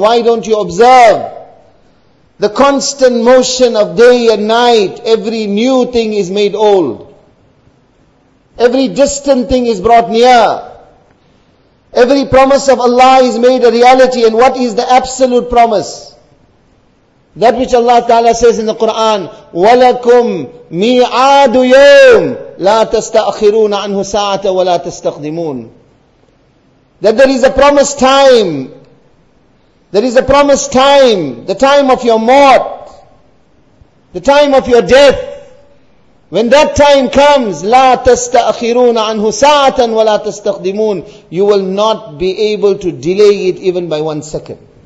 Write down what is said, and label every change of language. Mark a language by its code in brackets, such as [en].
[en] Why don't you observe the constant motion of day and night? Every new thing is made old. Every distant thing is brought near. Every promise of Allah is made a reality. And what is the absolute promise? That which Allah Ta'ala says in the Quran, [ar] وَلَكُمْ مِيعَادُ يَوْمْ لَا تَسْتَأْخِرُونَ عَنْهُ سَاعَةً وَلَا تَسْتَقْدِمُونَ. [en] That there is a promised time. There is a promised time, the time of your mort, the time of your death. When that time comes, [ar] لا تستأخرون عنه ساعة ولا تستقدمون, [en] you will not be able to delay it even by 1 second.